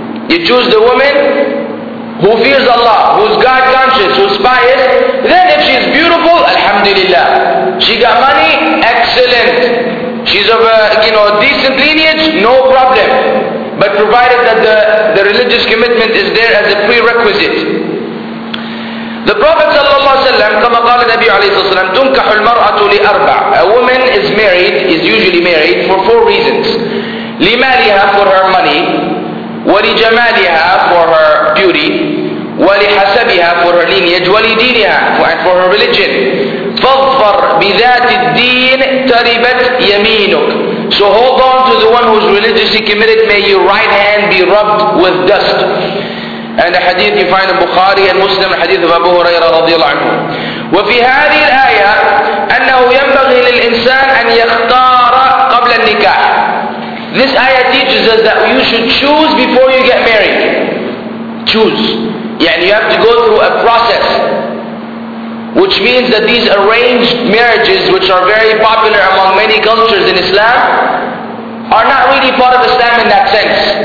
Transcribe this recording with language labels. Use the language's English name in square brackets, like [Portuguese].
[English] You choose the woman who fears Allah, who's God conscious, who's pious. Then if she's beautiful, alhamdulillah. She got money, excellent. She's of a decent lineage, no problem. But provided that the religious commitment is there as a prerequisite. The Prophet [Arabic] ﷺ, كما قال النبي عليه الصلاة والسلام, تنكح المرأة لأربع. [English] A woman is married, is usually married for four reasons. [Arabic] لمالها, [English] for her money. [Arabic] ولجمالها, [English] for her beauty. [Arabic] ولحسبها, [English] for her lineage. [Arabic] ولدينها, [English] for her religion. [Arabic] فاظفر بذات الدين تربت يمينك. [English] So hold on to the one who's religiously committed, may your right hand be rubbed with dust. And the hadith you find in Bukhari and Muslim, the hadith of Abu Hurairah radiallahu anhu. [Arabic] وفي هذه الآية أنه ينبغي للإنسان أن يختار قبل النكاح. [English] This ayah teaches us that you should choose before you get married. Choose. Yeah, and you have to go through a process. Which means that these arranged marriages, which are very popular among many cultures in Islam, are not really part of Islam in that sense.